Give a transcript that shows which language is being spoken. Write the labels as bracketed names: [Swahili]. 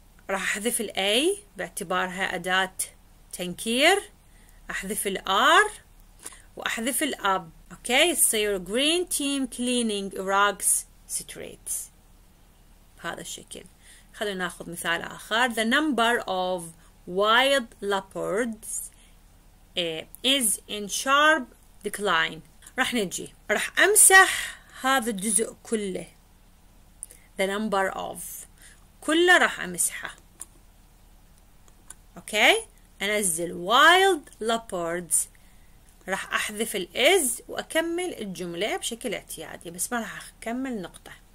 [Arabic] راح أحذف الـ A باعتبارها أداة تنكير، أحذف الـ R وأحذف الـ أب. أوكي، تصير [English] green team cleaning Iraq's streets [Arabic] بهذا الشكل. خلينا نأخذ مثال آخر. [English] The number of wild leopards is in sharp decline. [Arabic] راح نجي، راح أمسح هذا الجزء كله. [English] The number of [Arabic] كله راح أمسحه. اوكي، انزل [English] wild leopards، [Arabic] راح احذف الاز واكمل الجمله بشكل اعتيادي، بس ما راح اكمل نقطه.